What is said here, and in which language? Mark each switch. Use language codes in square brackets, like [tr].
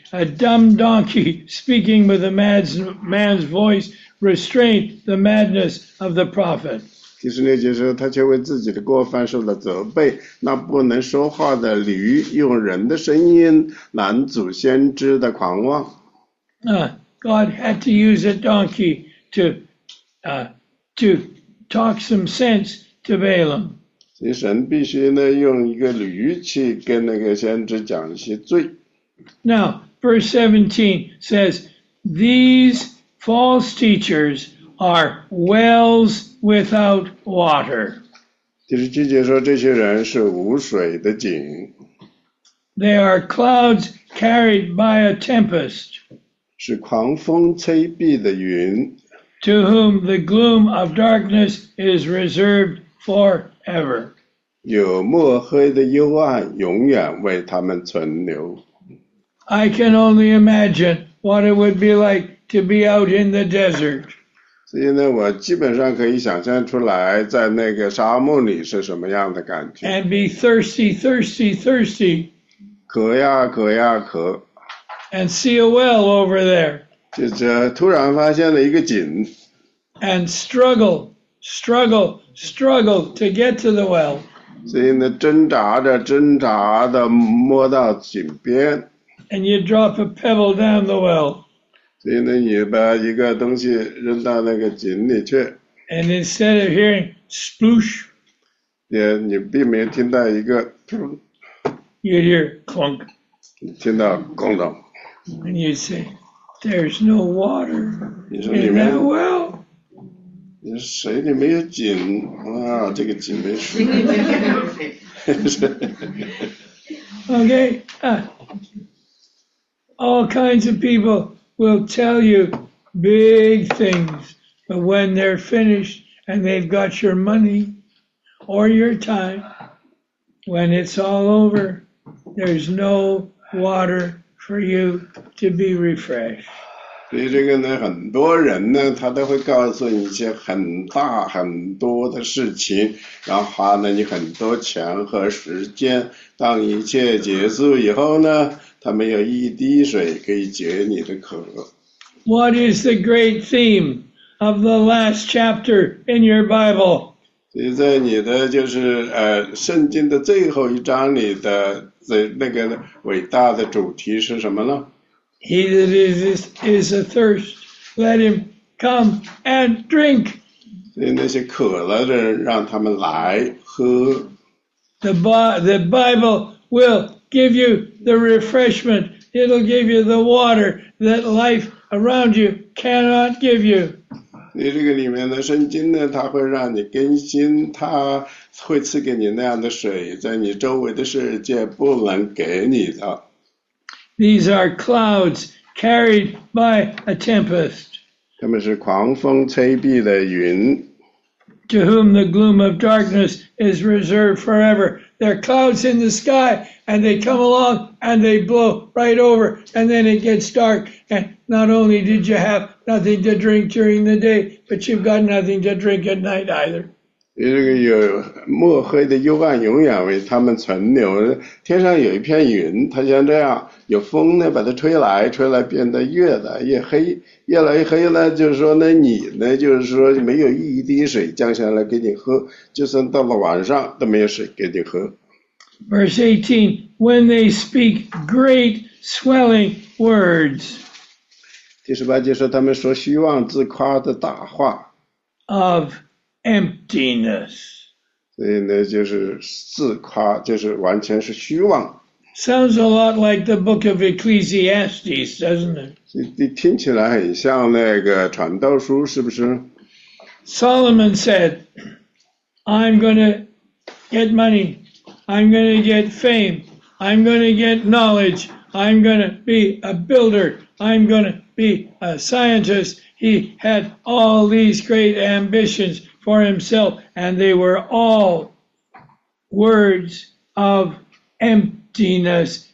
[en] A dumb donkey speaking with a man's voice restrained the madness of the prophet. [zh] 第十六节说，他却为自己的过犯受了责备。那不能说话的驴用人的声音拦阻先知的狂妄。 [en] God had to use a donkey to talk some sense to Balaam. [zh] 所以神必须呢用一个驴去跟那个先知讲一些罪。 [en] Now, verse 17 says, these false teachers are wells without water. [zh] 第十七节说这些人是无水的井。 [en] They are clouds carried by a tempest. [zh] 是狂风吹蔽的云。 [en] To whom the gloom of darkness is reserved forever. [zh] 有墨黑的幽暗永远为他们存留。 [en] I can only imagine what it would be like to be out in the desert. [zh] 所以呢，我基本上可以想象出来在那个沙漠里是什么样的感觉。 [en] And be thirsty, thirsty, thirsty. [zh] 渴呀渴呀渴。 [en] And see a well over there. [zh] 就突然发现了一个井。 [en] And struggle, struggle, struggle to get to the well. [zh] 所以呢，挣扎着挣扎的摸到井边。 [en] And you drop a pebble down the well. [zh] 所以呢，你把一个东西扔到那个井里去。 [en] And instead of hearing sploosh, [zh] 你并没听到一个 [en] You hear clunk. [zh] 你听到咣当。 [en] And you say, there's no water in that well. [zh] 你说水里没有井啊，这个井没水。 [en] Okay, all kinds of people will tell you big things, but when they're finished and they've got your money or your time, when it's all over, there's no water for you to be refreshed. [zh] 所以这个呢，很多人呢，他都会告诉你一些很大很多的事情，然后花了你很多钱和时间，当一切结束以后呢，他没有一滴水可以解你的渴。 [en] What is the great theme of the last chapter in your Bible? [zh] 所以在你的就是圣经的最后一章里的那个伟大的主题是什么呢？ [en] He that is athirst, let him come and drink. [zh] 所以那些渴了的人让他们来喝。 [en] The Bible will give you the refreshment. It'll give you the water that life around you cannot give you. [zh] 你这个里面的圣经呢，它会让你更新，它会赐给你那样的水，在你周围的世界不能给你的。 [en] These are clouds carried by a tempest. [zh] 他们是狂风吹蔽的云。 [en] To whom the gloom of darkness is reserved forever. There are clouds in the sky, and they come along, and they blow right over, and then it gets dark. And not only did you have nothing to drink during the day, but you've got nothing to drink at night either. [zh] 这个有墨黑的幽暗永远为他们存留。天上有一片云，它像这样，有风呢把它吹来，吹来变得越来越黑，越来越黑呢，就是说呢，你呢就是说没有一滴水降下来给你喝，就算到了晚上都没有水给你喝。 [en] Verse 18, when they speak great swelling words. [zh] 第十八节说他们说虚妄自夸的大话。 [en] Of emptiness. [zh] 所以呢就是自夸，就是完全是虚妄。 [en] Sounds a lot like the book of Ecclesiastes, doesn't it? [zh] 听起来很像那个传道书，是不是？ [en] Solomon said, I'm going to get money, I'm going to get fame, I'm going to get knowledge, I'm going to be a builder, I'm going to be a scientist. He had all these great ambitions for himself, and they were all words of emptiness.